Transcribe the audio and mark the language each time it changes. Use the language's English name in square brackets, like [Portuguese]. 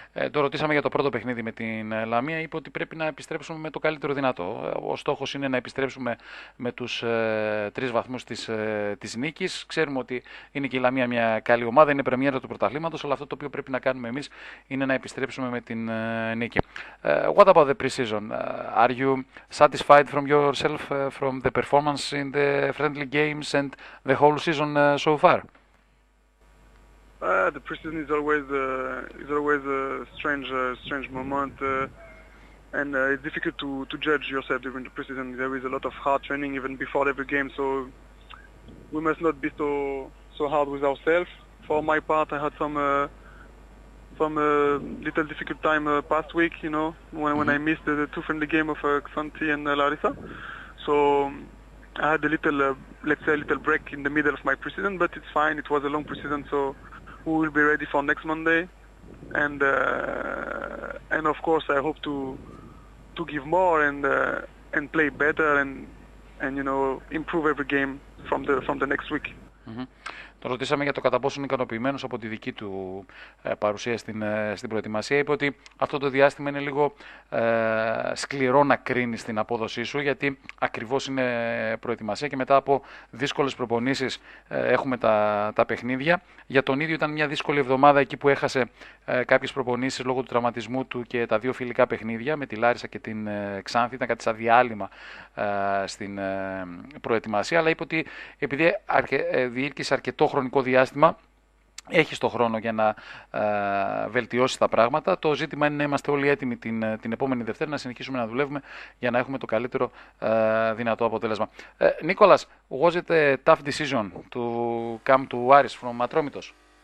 [Greek] Το ρωτήσαμε για το πρώτο παιχνίδι με την Λαμία. Είπε ότι πρέπει να επιστρέψουμε με το καλύτερο δυνατό. Ο στόχος είναι να επιστρέψουμε με τους 3 βαθμούς της νίκης. Ξέρουμε ότι είναι και η Λαμία μια καλή ομάδα, είναι πρεμιέρα του πρωταθλήματος, αλλά αυτό το οποίο πρέπει να κάνουμε εμείς είναι να επιστρέψουμε με την νίκη. [English] What about the pre-season? Are you satisfied from yourself, from the performance in the friendly games and the whole season so far? The preseason is always a strange moment, and it's difficult to judge yourself during the preseason. There is a lot of hard training even before every game, so we must not be so hard with ourselves. For my part, I had some little difficult time past week, when I missed the two friendly game of Xanti and Larissa. So I had a little, let's say, a little break in the middle of my preseason, but it's fine. It was a long preseason, so. We will be ready for next Monday, and of course I hope to give more and play better and improve every game from the next week. [Greek] Τον ρωτήσαμε για το κατά πόσο είναι ικανοποιημένος από τη δική του παρουσία στην προετοιμασία. Είπε ότι αυτό το διάστημα είναι λίγο σκληρό να κρίνεις την απόδοσή σου, γιατί ακριβώς είναι προετοιμασία και μετά από δύσκολες προπονήσεις έχουμε τα παιχνίδια. Για τον ίδιο ήταν μια δύσκολη εβδομάδα εκεί που έχασε κάποιες προπονήσεις λόγω του τραυματισμού του και τα 2 φιλικά παιχνίδια με τη Λάρισα και την Ξάνθη. Ήταν κάτι σαν διάλειμμα στην προετοιμασία, αλλά είπε ότι επειδή διήρκησε αρκετό χρονικό διάστημα, Έχει το χρόνο για να βελτιώσει τα πράγματα. Το ζήτημα είναι να είμαστε όλοι έτοιμοι την επόμενη Δευτέρα να συνεχίσουμε να δουλεύουμε για να έχουμε το καλύτερο δυνατό αποτέλεσμα. [English] Νίκολας, was it a tough decision to come to Aris from Ατρόμητος?